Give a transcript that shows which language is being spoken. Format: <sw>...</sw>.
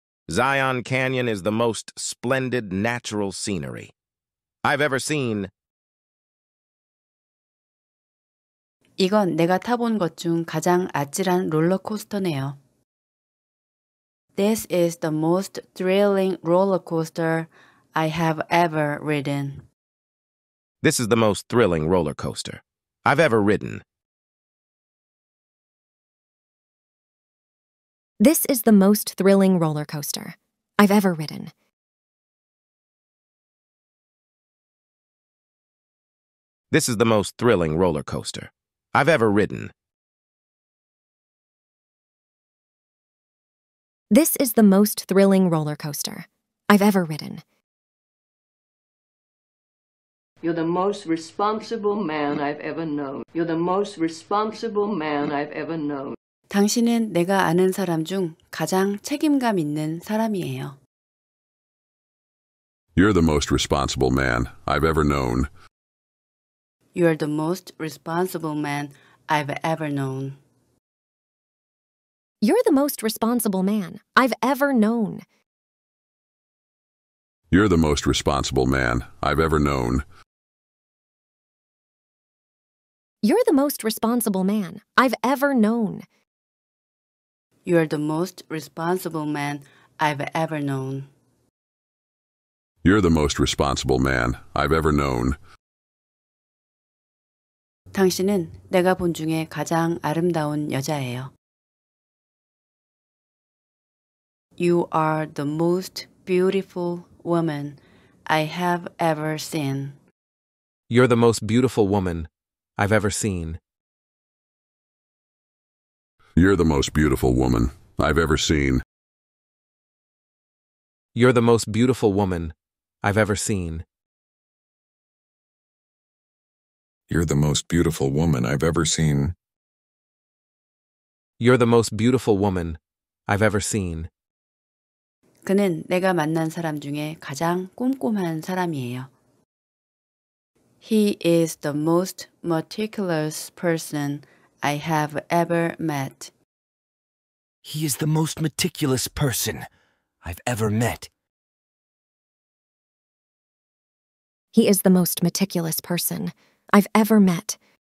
<en>Zion Canyon is the most splendid natural scenery I've ever seen.</en> <ko>이건 내가 타본 것 중 가장 아찔한 롤러코스터네요.</ko> <en>This is the most thrilling roller coaster I have ever ridden. This is the most thrilling roller coaster I've ever ridden. This is the most thrilling roller coaster I've ever ridden. This is the most thrilling roller coaster I've ever ridden. This is the most thrilling roller coaster I've ever ridden. You're the most responsible man I've ever known. You're the most responsible man I've ever known.</en> <ko>당신은 내가 아는 사람 중 가장 책임감 있는 사람이에요.</ko> <en>You're the most responsible man I've ever known. You're the most responsible man I've ever known. You're the most responsible man I've ever known. You're the most responsible man I've ever known. You're the most responsible man I've ever known. You're the most responsible man I've ever known. You're the most responsible man I've ever known.</en> <ko>당신은 내가 본 중에 가장 아름다운 여자예요.</ko> <en>You are the most beautiful woman I have ever seen. You're the most beautiful woman I've ever seen. You're the most beautiful woman I've ever seen. You're the most beautiful woman I've ever seen. You're the most beautiful woman I've ever seen. You're the most beautiful woman I've ever seen.</en> <ko>그는 내가 만난 사람 중에 가장 꼼꼼한 사람이에요.</ko> <en>He is the most meticulous person I have ever met. He is the most meticulous person I've ever met. He is the most meticulous person I've ever met.</en>